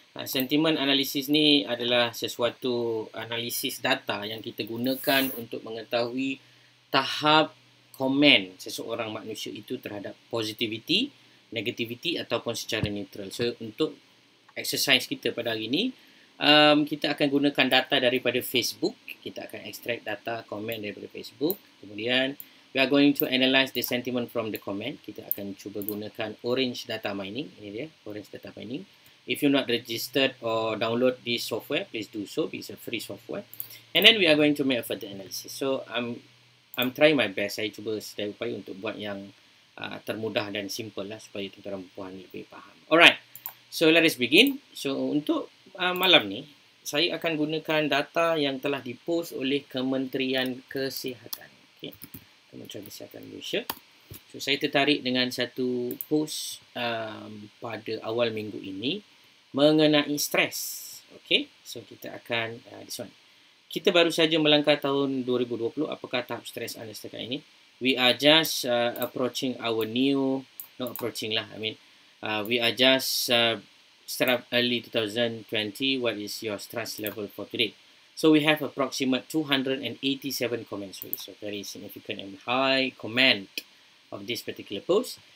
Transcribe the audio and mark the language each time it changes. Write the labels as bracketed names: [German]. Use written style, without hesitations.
[Malay] Sentimen analisis ni adalah sesuatu analisis data yang kita gunakan untuk mengetahui tahap komen seseorang manusia itu terhadap positivity, negativity ataupun secara neutral. So, untuk exercise kita pada hari ini, kita akan gunakan data daripada Facebook. Kita akan extract data komen daripada Facebook. [English] Kemudian, we are going to analyze the sentiment from the comment. [Malay] Kita akan cuba gunakan orange data mining. Ini dia, orange data mining. [English] If you're not registered or download this software, please do so. It's a free software. And then, we are going to make a further analysis. So, I'm trying my best. [Malay] Saya cuba sedaya upaya untuk buat yang termudah dan simple lah supaya tuan-tuan dan puan lebih faham. [English] Alright. So, let us begin. [Malay] So, untuk malam ni, saya akan gunakan data yang telah dipost oleh Kementerian Kesihatan. Okay. Kementerian Kesihatan Malaysia. So, saya tertarik dengan satu post pada awal minggu ini mengenai stres. Okay. So, kita akan [English] this one. [Malay] Kita baru saja melangkah tahun 2020, apakah tahap stres anda setakat ini? [English] We are just approaching our new, not approaching lah, I mean, we are just start early 2020, what is your stress level for today? So we have approximate 287 comments, so very significant and high comment of this particular post.